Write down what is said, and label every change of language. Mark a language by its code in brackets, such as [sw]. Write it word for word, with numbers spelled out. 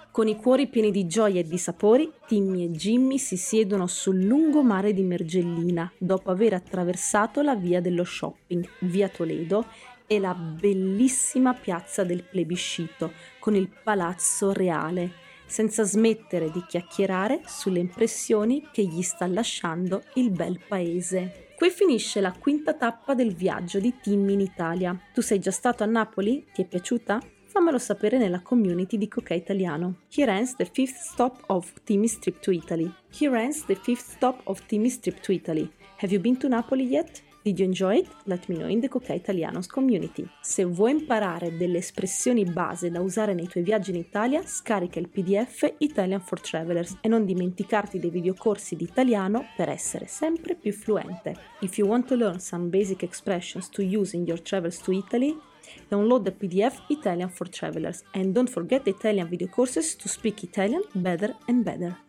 [it] Con i cuori pieni di gioia e di sapori, Timmy e Jimmy si siedono sul lungomare di Mergellina, dopo aver attraversato la via dello shopping, via Toledo, e la bellissima piazza del Plebiscito con il Palazzo Reale, senza smettere di chiacchierare sulle impressioni che gli sta lasciando il bel paese. Qui finisce la quinta tappa del viaggio di Timmy in Italia. Tu sei già stato a Napoli? Ti è piaciuta? Fammelo sapere nella community di Kokai Italiano. [en] Here ends the fifth stop of Timmy's trip to Italy. Here ends the fifth stop of Timmy's trip to Italy. Have you been to Napoli yet? Did you enjoy it? Let me know in the Kokai Italianos community. [it] Se vuoi imparare delle espressioni base da usare nei tuoi viaggi in Italia, scarica il P D F Italian for Travelers e non dimenticarti dei videocorsi di italiano per essere sempre più fluente. [en] If you want to learn some basic expressions to use in your travels to Italy, download the P D F Italian for Travelers and don't forget the Italian video courses to speak Italian better and better.